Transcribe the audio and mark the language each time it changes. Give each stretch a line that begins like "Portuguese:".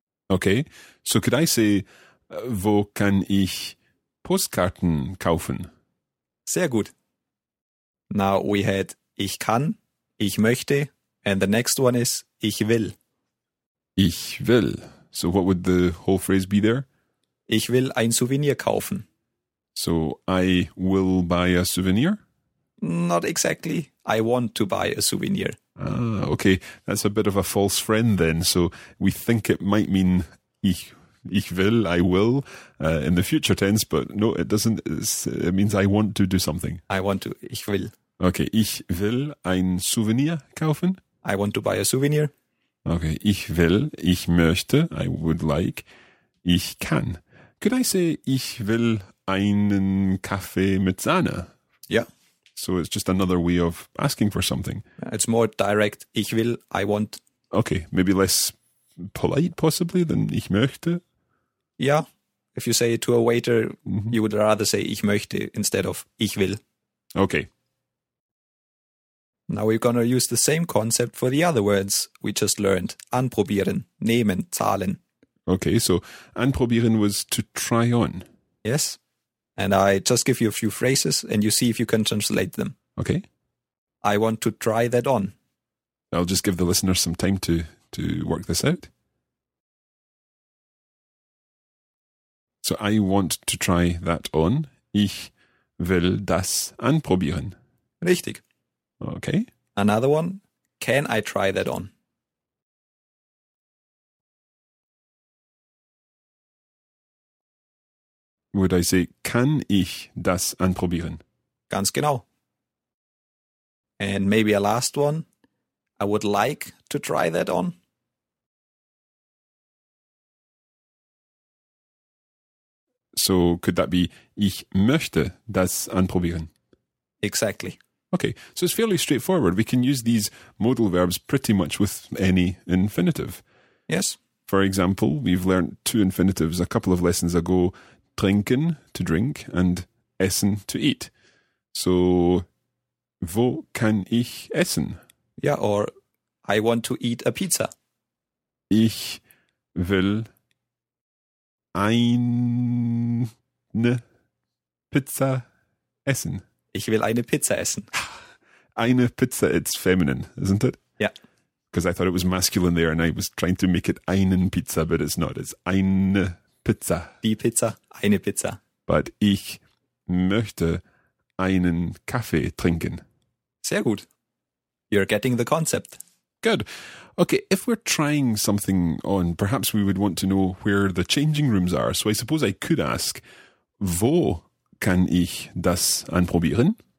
English: Okay, so could I say,
German: wo kann ich Postkarten kaufen? Sehr gut.
English: Now we had
German: ich kann, ich möchte,
English: and the next one is
German: ich will. Ich will.
English: So what would the whole phrase be there?
German: Ich will ein Souvenir kaufen.
English: So, I will buy a souvenir? Not exactly. I want to buy a souvenir. Ah, okay. That's a bit of a false friend then. So, we think it might mean I will, in the future tense, but no, it doesn't. It means I want to do something. I want to.
German: Ich will.
English: Okay.
German: Ich will ein Souvenir kaufen?
English: I want to buy a souvenir. Okay.
German: Ich will, ich möchte,
English: I would like,
German: ich kann.
English: Could I say
German: ich will einen Kaffee mit Sahne?
English: Yeah. So it's just another way of asking for something. It's more direct.
German: Ich will,
English: I want. Okay, maybe less polite possibly than
German: ich möchte.
English: Yeah. If you say it to a waiter, mm-hmm. you would rather say
German: ich möchte
English: instead of
German: ich will.
English: Okay. Now we're going to use the same concept for the other words we just learned.
German: Anprobieren, nehmen, zahlen.
English: Okay, so anprobieren was to try on. Yes. And I just give you a few phrases and you see if you can translate them. Okay. I want to try that on. I'll just give the listener some time to work this out. So I want to try that on.
German: Ich will das anprobieren. Richtig.
English: Okay. Another one. Can I try that on? Would I say,
German: kann ich das anprobieren? Ganz genau.
English: And maybe a last one. I would like to try that on. So could that be,
German: ich möchte das anprobieren?
English: Exactly. Okay, so it's fairly straightforward. We can use these modal verbs pretty much with any infinitive. Yes. For example, we've learned two infinitives a couple of lessons ago, trinken, to drink, and essen, to eat.
German: So, wo kann ich essen?
English: Yeah, or I want to eat a pizza.
German: Ich will eine Pizza essen. Ich will eine Pizza essen. Eine Pizza,
English: it's feminine, isn't it? Yeah. Because I thought it was masculine there and I was trying to make it
German: einen Pizza,
English: but it's not. It's
German: eine Pizza. Die Pizza, eine Pizza. But ich möchte einen Kaffee trinken. Sehr gut.
English: You're getting the concept. Good. Okay, if we're trying something on, perhaps we would want to know where the changing rooms are. So I suppose I could ask,
German: wo kann ich das anprobieren?